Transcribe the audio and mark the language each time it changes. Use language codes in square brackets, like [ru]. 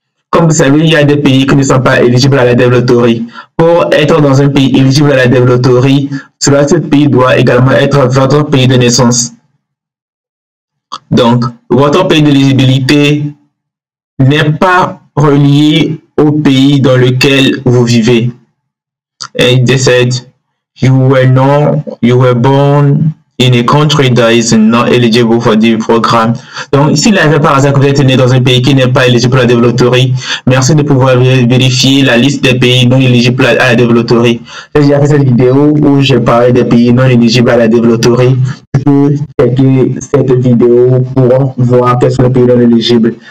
[fr] Comme vous savez, il y a des pays qui ne sont pas éligibles à la DEVLOTORI. Pour être dans un pays éligible à la DEVLOTORI, cela, ce pays doit également être votre pays de naissance. Donc, votre pays d'éligibilité n'est pas relié au pays dans lequel vous vivez. [en] And they said, you were born in a country that is not eligible for the program. [fr] Donc, s'il avait par hasard que vous êtes né dans un pays qui n'est pas éligible à la DEVLOTORI, merci de pouvoir vérifier la liste des pays non éligibles à la DEVLOTORI. J'ai déjà fait cette vidéo où j'ai parlé des pays non éligibles à la DEVLOTORI. Tu peux checker cette vidéo pour voir quels sont les pays non éligibles.